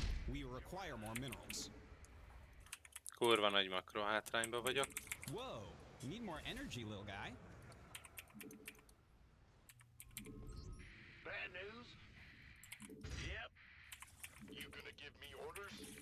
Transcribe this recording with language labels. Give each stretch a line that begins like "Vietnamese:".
English: We require more minerals.
Hungarian: Kurva nagy makro hátrányba vagyok.
English: Whoa, need more energy, little guy. Bad news. Yep. You gonna give me orders?